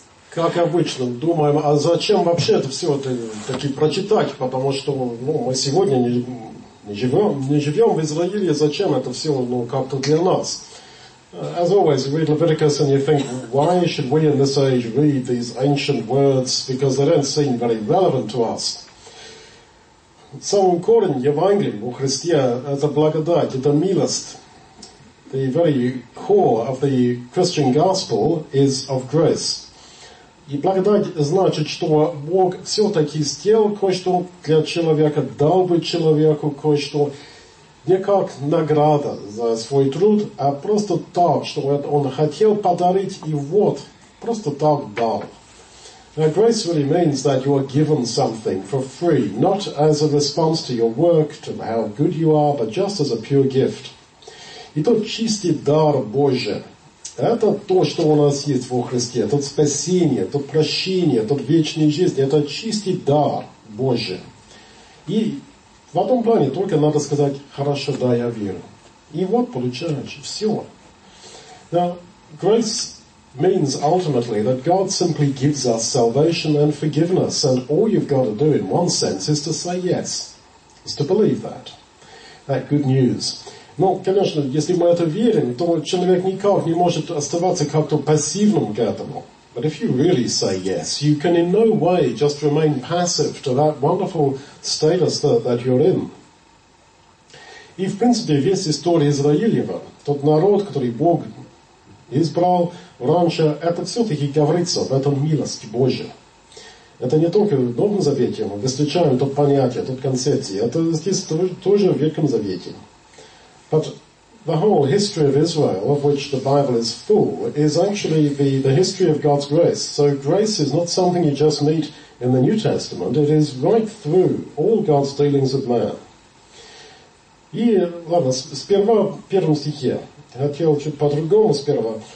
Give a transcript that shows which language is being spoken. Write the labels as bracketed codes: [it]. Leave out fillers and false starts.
[ru] Как обычно, думаем, а зачем вообще это все таки прочитать, потому что ну, мы сегодня не живем в Израиле, зачем это все ну, как-то для нас. [en] As always, you read Leviticus and you think, why should we in this age read these ancient words, because they don't seem very relevant to us. [ru] Самый корень Евангелия у Христа – это благодать, это милость. [en] The very core of the Christian gospel is of grace. [ru] И благодать значит, что Бог все-таки сделал кое-что для человека, дал бы человеку кое-что не как награда за свой труд, а просто так, что он хотел подарить, и вот, просто так дал. [en] Now, grace really means that you are given something for free, not as a response to your work, to how good you are, but just as a pure gift. [ru] И тот чистый дар Божий, это то, что у нас есть во Христе, тот спасение, тот прощение, тот вечная жизнь, это чистый дар Божий. И в этом плане только надо сказать, хорошо, да, я верю. И вот получается, все. [en] Now, grace means ultimately that God simply gives us salvation and forgiveness, and all you've got to do in one sense is to say yes, is to believe that. That good news. [ru] Ну, конечно, если мы это верим, то человек никак не может оставаться как-то пассивным к этому. [en] But if you really say yes, you can in no way just remain passive to that wonderful status that you're in. [ru] И, в принципе, весь история Израилева, тот народ, который Бог избрал раньше, это все-таки говорится в этом милости Божьей. Это не только в Новом Завете, мы встречаем то понятие, тот концепции. Это здесь тоже в Ветхом Завете. [en] But the whole history of Israel, of which the Bible is full, is actually the history of God's grace. So grace is not something you just meet in the New Testament. It is right through all God's dealings with man. [ru] И, ладно, сперва, в первом стихе. Хотел чуть по-другому сперва.